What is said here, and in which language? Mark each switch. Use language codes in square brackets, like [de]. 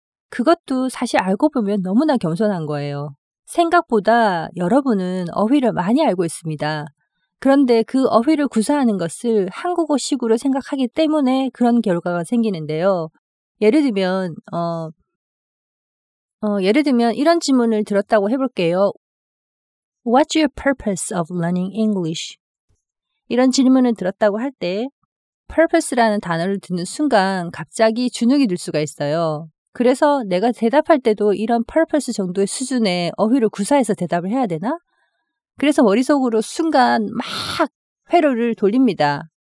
[ko] 그것도 사실 알고 보면 너무나 겸손한 거예요. 생각보다 여러분은 어휘를 많이 알고 있습니다. 그런데 그 어휘를 구사하는 것을 한국어식으로 생각하기 때문에 그런 결과가 생기는데요. 예를 들면 예를 들면 이런 질문을 들었다고 해볼게요. [en] What's your purpose of learning English? [ko] 이런 질문을 들었다고 할 때 purpose라는 단어를 듣는 순간 갑자기 주눅이 들 수가 있어요. 그래서 내가 대답할 때도 이런 purpose 정도의 수준의 어휘를 구사해서 대답을 해야 되나? 그래서 머릿속으로 순간 막 회로를 돌립니다.